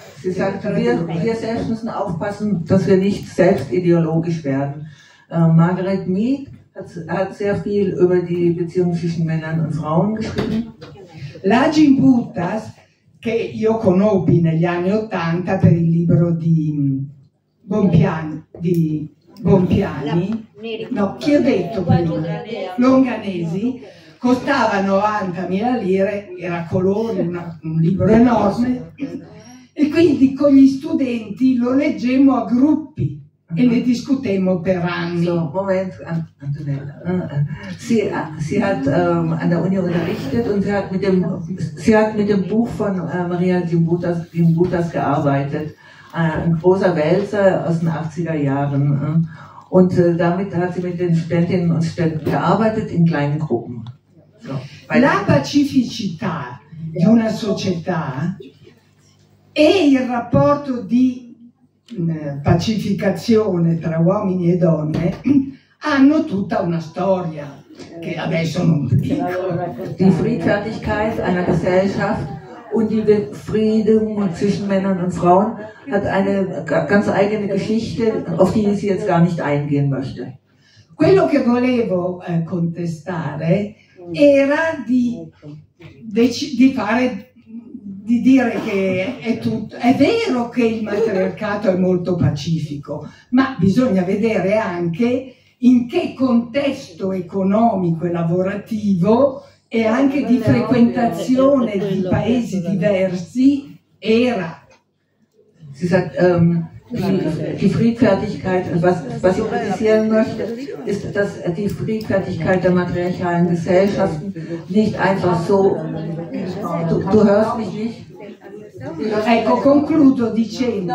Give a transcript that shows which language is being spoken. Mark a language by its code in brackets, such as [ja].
[de] Sie sagt, wir selbst müssen aufpassen, dass wir nicht selbst ideologisch werden. Margaret Mead hat sehr viel über die Beziehung zwischen Männern und Frauen geschrieben. [it] La Gimbutas, che io conobbi negli anni '80 per il libro di Bompiani. No, chi ho detto prima? Longanesi, costava 90.000 lire, era colore, un libro enorme, e quindi con gli studenti lo leggemmo a gruppi e ne discutemmo per anni. So, momento, Antonella. [de] Sie hat an der Uni unterrichtet und sie hat mit dem Buch von Maria Gimbutas gearbeitet, ein großer Wälzer aus den 80er Jahren. Und damit hat sie mit den Studentinnen und Studenten gearbeitet in kleinen Gruppen. [it] So, la pacificità di una società e il rapporto di pacificazione tra uomini e donne hanno tutta una storia che adesso non dico. [de] Die Friedfertigkeit einer Gesellschaft und die Befriedung zwischen Männern und Frauen hat eine ganz eigene Geschichte, auf die ich jetzt gar nicht eingehen möchte. [it] Quello che volevo contestare era di dire che è vero che il matriarcato è molto pacifico, ma bisogna vedere anche in che contesto economico e lavorativo e anche di frequentazione di paesi diversi era. [de] Sie sagt, die Friedfertigkeit, was ich kritisieren möchte, ist, dass die Friedfertigkeit der matriarchalen Gesellschaft nicht einfach so. Du hörst mich nicht? [it] Ecco, concludo dicendo.